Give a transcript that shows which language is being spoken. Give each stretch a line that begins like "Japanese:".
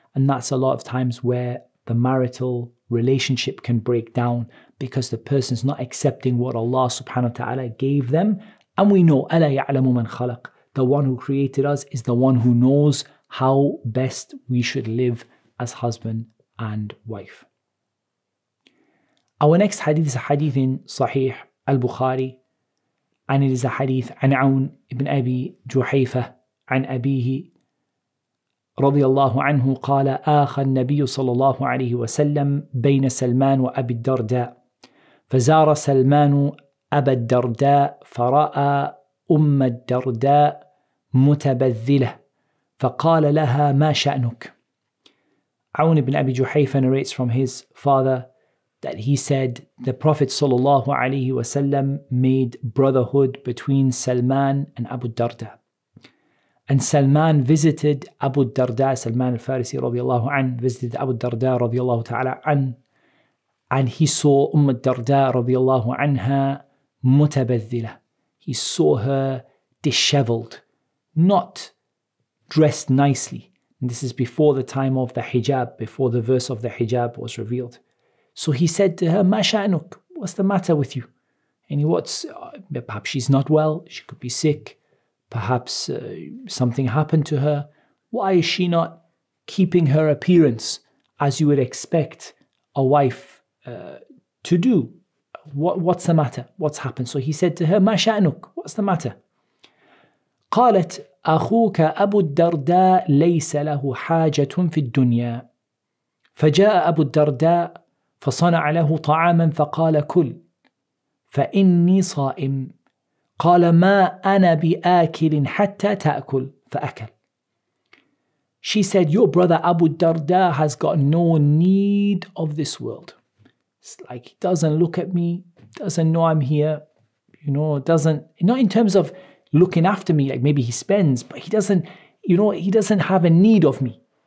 English: And that's a lot of times where the marital relationship can break down because the person's not accepting what Allah subhanahu wa ta'ala gave them. And we know,
Arabic: أَلَا يَعْلَمُ مَنْ خَلَقَ,
English: the one who created us is the one who knows how best we should live as husband and wife. Our next hadith is a hadith
Arabic: in Sahih al-Bukhari, and it is a hadith عن عون ابن أبي جحيفة عن أبيه رضي الله عنه قال آخى النبي صلى الله عليه وسلم بين سلمان وأبي الدرداء فزار سلمان أبا الدرداء فرأى أم الدرداء متبذلة فقال لها ما شأنك.
English: عون بن أبي جحيفة narrates from his father that he said the Prophet sallallahu alayhi wa sallam made brotherhood between Salman and Abu Darda. And Salman visited Abu Darda, Salman al-Farisi radiallahu an, visited Abu Darda radiallahu ta'ala an, and he saw Umm al-Darda radiallahu anha mutabadhila. He saw her disheveled, not dressed nicely. And this is before the time of the hijab, before the verse of the hijab was revealed. So he said to her,
Arabic: ما شأنك,
English: what's the matter with you? And he, what's, perhaps she's not well, she could be sick, perhaps something happened to her. Why is she not keeping her appearance as you would expect a wife to do? What's the matter? What's happened? So he said to her,
Arabic: ما شأنك,
English: what's the matter?
Arabic: قالت أخوك أبو الدرداء ليس له حاجة في الدنيا فجاء أبو الدرداء فصنع له طعاما فقال كل فإني صائم قال ما أنا بآكل حتى تأكل فأكل.
English: She said, your brother Abu Darda has got no need of this world. It's like he doesn't look at me, doesn't know I'm here, you know, doesn't, not in terms of looking after me, like maybe he spends, but he doesn't, you know, he doesn't have a need of me.